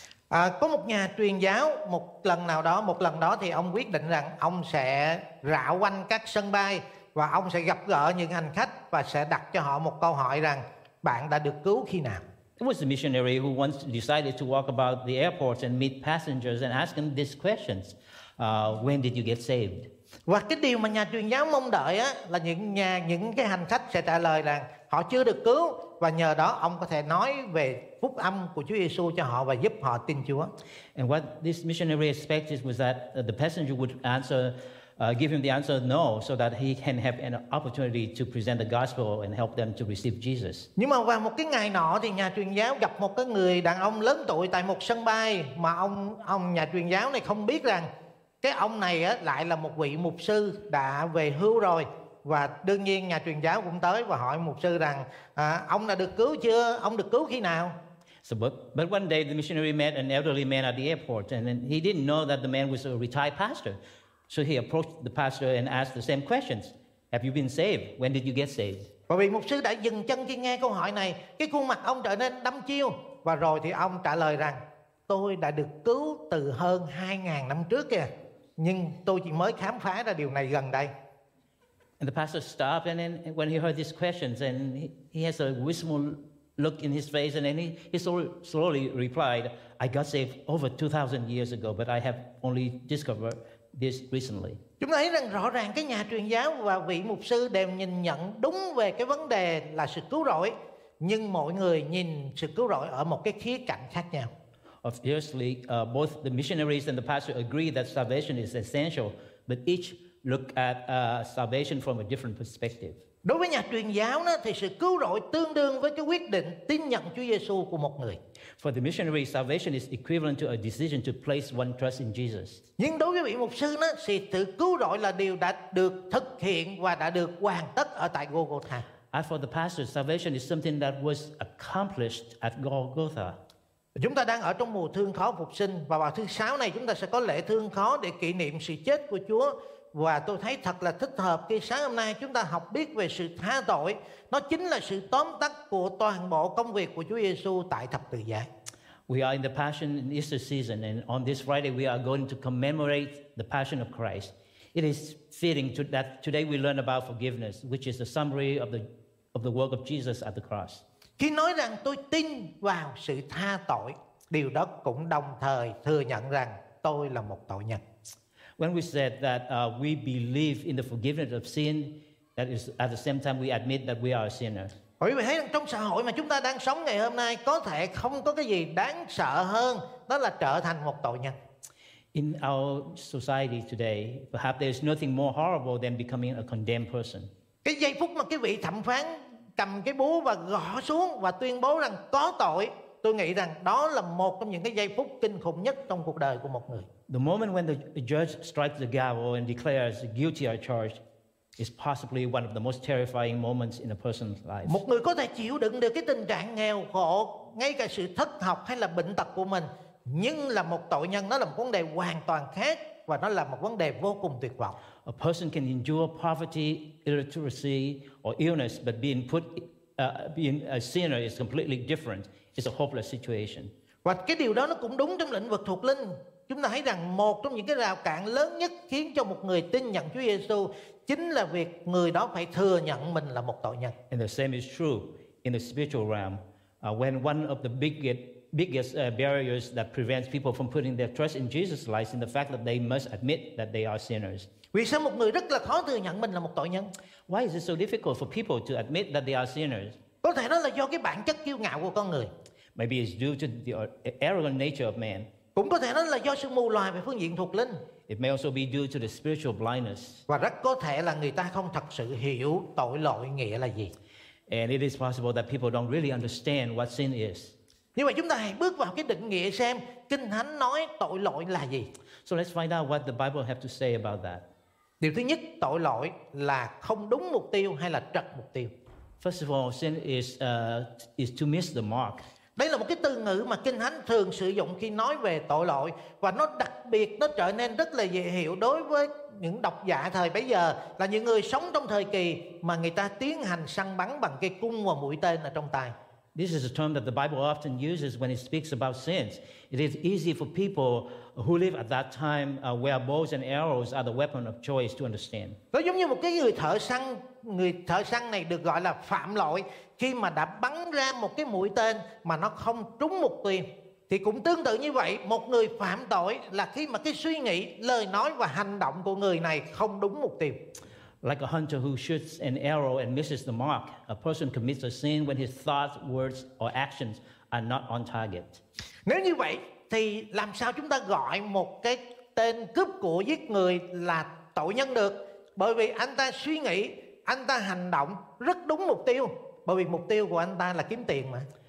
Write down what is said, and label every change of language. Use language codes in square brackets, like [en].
[vi] Có một nhà truyền giáo một lần nào đó thì ông quyết định rằng ông sẽ rảo quanh các sân bay và ông sẽ gặp gỡ những hành khách và sẽ đặt cho họ một câu hỏi rằng bạn đã được cứu khi nào? [en] It was a missionary who once decided to walk about the airports and meet passengers and ask them these questions. When did you get saved? [vi] Và cái điều mà nhà truyền giáo mong đợi á là những cái hành khách sẽ trả lời rằng họ chưa được cứu và nhờ đó ông có thể nói về phúc âm của Chúa Giêsu cho họ và giúp họ tin Chúa. [en] And what this missionary expected was that the passenger would answer, give him the answer no, so that he can have an opportunity to present the gospel and help them to receive Jesus. [vi] Nhưng mà vào một cái ngày nọ thì nhà truyền giáo gặp một cái người đàn ông lớn tuổi tại một sân bay mà ông nhà truyền giáo này không biết rằng cái ông này á lại là một vị mục sư đã về hưu rồi. Và đương nhiên nhà truyền giáo cũng tới và hỏi mục sư rằng ông đã được cứu chưa? Ông được cứu khi nào? [en] So, but one day the missionary met an elderly man at the airport and he didn't know that the man was a retired pastor. So he approached the pastor and asked the same questions. Have you been saved? When did you get saved? [vi] Và vị mục sư đã dừng chân khi nghe câu hỏi này, cái khuôn mặt ông trở nên đăm chiêu và rồi thì ông trả lời rằng tôi đã được cứu từ hơn 2000 năm trước kìa, nhưng tôi chỉ mới khám phá ra điều này gần đây. [en] And the pastor stopped, and then when he heard these questions, and he has a wistful look in his face, and then he slowly replied, "I got saved over 2,000 years ago, but I have only discovered this recently." [vi] Chúng ta thấy rằng rõ ràng cái nhà truyền giáo và vị mục sư đều nhìn nhận đúng về cái vấn đề là sự cứu rỗi, nhưng mỗi người nhìn sự cứu rỗi ở một cái khía cạnh khác nhau. [en] Obviously, both the missionaries and the pastor agree that salvation is essential, but each look at salvation from a different perspective. [vi] Đối với nhà truyền giáo đó, thì sự cứu rỗi tương đương với cái quyết định tin nhận Chúa Giêsu của một người. [en] For the missionary, salvation is equivalent to a decision to place one trust in Jesus. [vi] Nhưng đối với vị mục sư đó, thì sự cứu rỗi là điều đã được thực hiện và đã được hoàn tất ở tại Golgotha. [en] As for the pastor, salvation is something that was accomplished at Golgotha. [vi] Chúng ta đang ở trong mùa thương khó phục sinh và vào thứ sáu này chúng ta sẽ có lễ thương khó để kỷ niệm sự chết của Chúa. Và tôi thấy thật là thích hợp khi sáng hôm nay chúng ta học biết về sự tha tội. Nó chính là sự tóm tắt của toàn bộ công việc của Chúa Giêsu tại thập tự giá. [en] We are in the Passion in Easter season, and on this Friday we are going to commemorate the Passion of Christ. It is fitting that today we learn about forgiveness, which is the summary of the work of Jesus at the cross. [vi] Khi nói rằng tôi tin vào sự tha tội, điều đó cũng đồng thời thừa nhận rằng tôi là một tội nhân. [en] When we said that we believe in the forgiveness of sin, that is at the same time we admit that we are a sinner. [vi] Quý vị thấy rằng trong xã hội mà chúng ta đang sống ngày hôm nay có thể không có cái gì đáng sợ hơn đó là trở thành một tội nhân. [en] In our society today, perhaps there is nothing more horrible than becoming a condemned person. [vi] Cái giây phút mà cái vị thẩm phán cầm cái búa và gõ xuống và tuyên bố rằng có tội, tôi nghĩ rằng đó là một trong những cái giây phút kinh khủng nhất trong cuộc đời của một người. [en] The moment when the judge strikes the gavel and declares guilty or charged is possibly one of the most terrifying moments in a person's life. [vi] Một người có thể chịu đựng được cái tình trạng nghèo khổ, ngay cả sự thất học hay là bệnh tật của mình, nhưng là một tội nhân, nó là một vấn đề hoàn toàn khác và nó là một vấn đề vô cùng tuyệt vọng. [en] A person can endure poverty, illiteracy or illness, but being a sinner is completely different It's a hopeless situation. [vi] Và cái điều đó nó cũng đúng trong lĩnh vực thuộc linh. Chúng ta thấy rằng một trong những cái rào cản lớn nhất khiến cho một người tin nhận Chúa Giêsu chính là việc người đó phải thừa nhận mình là một tội nhân. [en] And the same is true in the spiritual realm. When one of the biggest barriers that prevents people from putting their trust in Jesus lies in the fact that they must admit that they are sinners. [vi] Vì sao một người rất là khó thừa nhận mình là một tội nhân? [en] Why is it so difficult for people to admit that they are sinners? [vi] Có thể nó là do cái bản chất kiêu ngạo của con người. [en] Maybe it's due to the arrogant nature of man. [vi] Cũng có thể nó là do sự mù lòa về phương diện thuộc linh. [en] It may also be due to the spiritual blindness. [vi] Và rất có thể là người ta không thật sự hiểu tội lỗi nghĩa là gì. [en] And it is possible that people don't really understand what sin is. [vi] Nhưng mà chúng ta hãy bước vào cái định nghĩa xem Kinh Thánh nói tội lỗi là gì. [en] So let's find out what the Bible have to say about that. [vi] Điều thứ nhất, tội lỗi là không đúng mục tiêu hay là trật mục tiêu. [en] First of all, sin is to miss the mark. [vi] Đây là một cái từ ngữ mà Kinh Thánh thường sử dụng khi nói về tội lỗi, và nó đặc biệt, nó trở nên rất là dễ hiểu đối với những độc giả thời bấy giờ, là những người sống trong thời kỳ mà người ta tiến hành săn bắn bằng cây cung và mũi tên ở trong tay. [en] This is a term that the Bible often uses when it speaks about sins. It is easy for people who live at that time where bows and arrows are the weapon of choice to understand. [vi] Nó giống như một cái người thợ săn này được gọi là phạm lỗi khi mà đã bắn ra một cái mũi tên mà nó không trúng mục tiêu. Thì cũng tương tự như vậy, một người phạm tội là khi mà cái suy nghĩ, lời nói và hành động của người này không đúng mục tiêu. [en] Like a hunter who shoots an arrow and misses the mark, a person commits a sin when his thoughts, words, or actions are not on target. [vi] Nếu như vậy, thì làm sao chúng ta gọi một cái tên cướp của giết người là tội nhân được? Bởi vì anh ta suy nghĩ, anh ta hành động rất đúng mục tiêu. Bởi vì mục tiêu của anh ta là kiếm tiền mà.